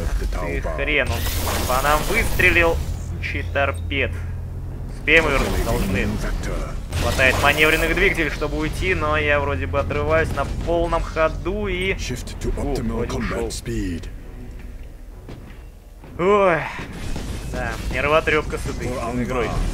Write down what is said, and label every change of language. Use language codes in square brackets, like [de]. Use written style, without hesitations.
[ru] Ты хрен, он по нам выстрелил. Чей торпед. Успеем вернуть, должны. Хватает маневренных двигателей, чтобы уйти, но я вроде бы отрываюсь на полном ходу и... [en] Shift to optimal combat speed. [ru] Ой, да, нервотрепка с этой игрой.